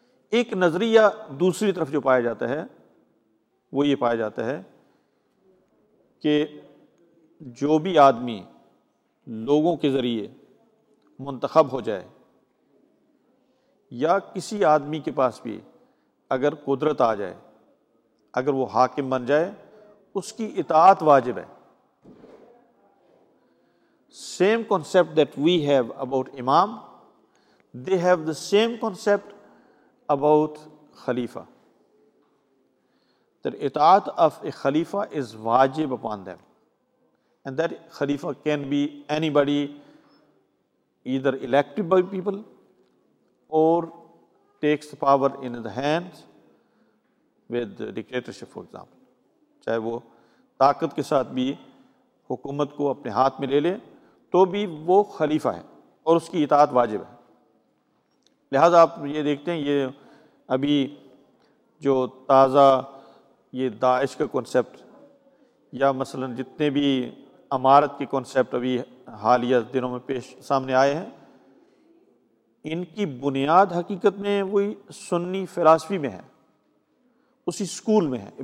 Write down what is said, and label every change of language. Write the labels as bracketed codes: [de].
[ur] ایک نظریہ دوسری طرف جو پایا جاتا ہے وہ یہ پایا جاتا ہے کہ جو بھی آدمی لوگوں کے ذریعے منتخب ہو جائے یا کسی آدمی کے پاس بھی اگر قدرت آ جائے, اگر وہ حاکم بن جائے, اس کی اطاعت واجب ہے. [en] Same concept that we have about امام, they have the same concept about خلیفہ. That اطاعت of a خلیفہ is واجب upon them. And that خلیفہ can be anybody, either elected by people or takes the power in the hands with dictatorship, for example. [ur] چاہے وہ طاقت کے ساتھ بھی حکومت کو اپنے ہاتھ میں لے لے تو بھی وہ خلیفہ ہے اور اس کی اطاعت واجب ہے. لہذا آپ یہ دیکھتے ہیں, یہ ابھی جو تازہ یہ داعش کا کانسیپٹ یا مثلا جتنے بھی امارت کے کانسیپٹ ابھی حالیہ دنوں میں پیش سامنے آئے ہیں, ان کی بنیاد حقیقت میں وہی سنی فلسفی میں ہے, اسی سکول میں ہے.